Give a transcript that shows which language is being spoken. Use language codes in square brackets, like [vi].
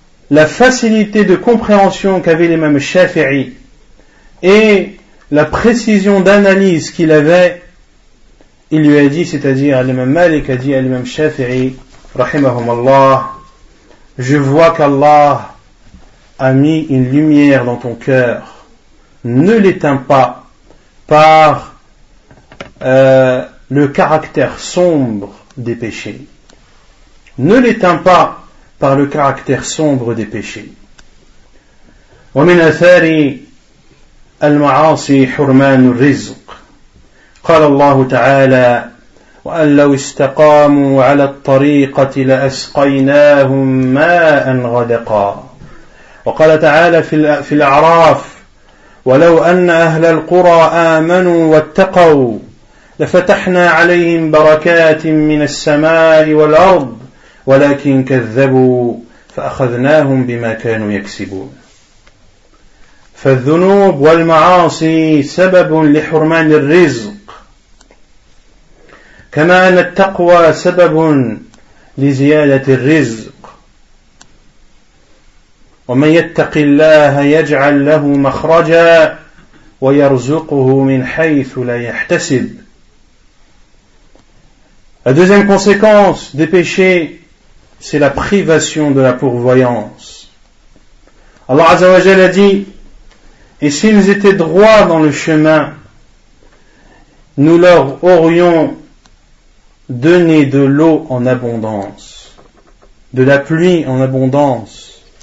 [fr] la facilité de compréhension qu'avait l'imam Shafi'i et la précision d'analyse qu'il avait, il lui a dit, c'est-à-dire l'imam Malik a dit à l'imam Shafi'i, rahimahum Allah, je vois qu'Allah a mis une lumière dans ton cœur, ne l'éteins pas par le caractère sombre des péchés. Ne l'éteins pas par le caractère sombre des péchés. [ar] ومن أثار المعاصي حرمان الرزق. قال الله تعالى: وأن لو استقاموا على الطريقة لأسقيناهم ماء غدقا. وقال تعالى في الأعراف: ولو أن أهل القرى آمنوا واتقوا لفتحنا عليهم بركات من السماء والأرض ولكن كذبوا فأخذناهم بما كانوا يكسبون. فالذنوب والمعاصي سبب لحرمان الرزق، كما أن التقوى سبب لزيادة الرزق. ومن يتق الله يجعل له مخرجا ويرزقه من حيث لا يحتسب. [fr] La deuxième conséquence des péchés, c'est la privation de la pourvoyance. Allah Azza wa Jalla a dit, et s'ils étaient droits dans le chemin, nous leur aurions donné de l'eau en abondance, de la pluie en abondance.